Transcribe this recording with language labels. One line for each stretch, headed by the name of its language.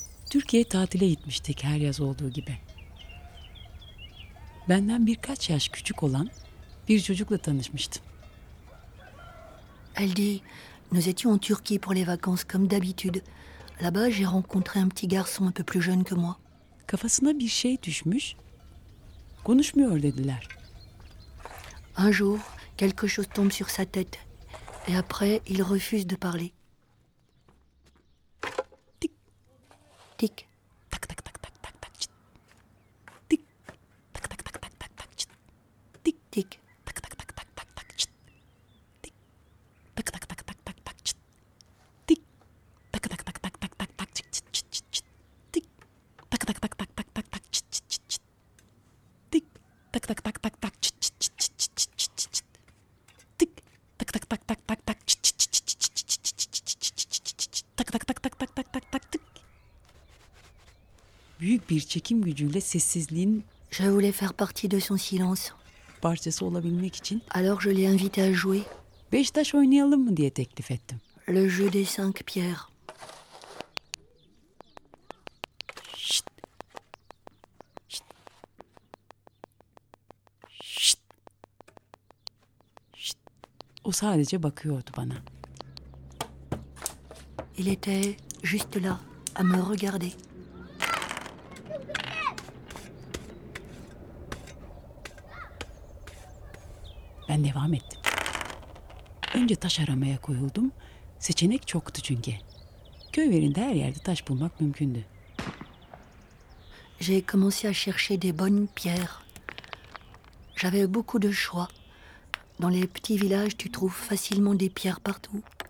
Turkish: Türkiye tatile gitmiştik her yaz olduğu gibi. Benden birkaç yaş küçük olan bir çocukla tanışmıştım.
French: Elle dit, nous étions en Turquie pour les vacances comme d'habitude. Là-bas, j'ai rencontré un petit garçon un peu plus jeune que moi.
Turkish: Kafasına bir şey düşmüş. Konuşmuyor dediler.
French: Un jour, quelque chose tombe sur sa tête et après, il refuse de parler. Tik. Tak tak tak tak tak tak. Tik. Tak tak tak tak tak tak. Tik tik. Tak tak tak tak tak tak. Tik. Tak tak tak tak tak tak. Tik. Tak tak tak tak tak tak tak. Tik. Tak tak tak tak tak tak. Tik. Tak tak tak tak tak. Tik. Tak tak tak tak tak. Tak tak tak tak tak tak tak tak tak tak.
Turkish: Büyük bir çekim gücüyle sessizliğin
French: je voulais faire partie de son silence.
Turkish: Parçası olabilmek için
French: alors je l'ai invité à jouer.
Turkish: Beş taş oynayalım mı diye teklif ettim.
French: Le jeu des cinq pierres. Şşt. Şşt. Şşt. Şşt.
Turkish: O sadece bakıyordu bana.
French: Il était juste là à me regarder.
Turkish: Ben devam ettim. Önce taş aramaya koyuldum. Seçenek çoktu çünkü. Köylerinde her yerde taş bulmak mümkündü.
French: J'ai commencé à chercher des bonnes pierres. J'avais beaucoup de choix. Dans les petits villages, tu trouves facilement des pierres partout.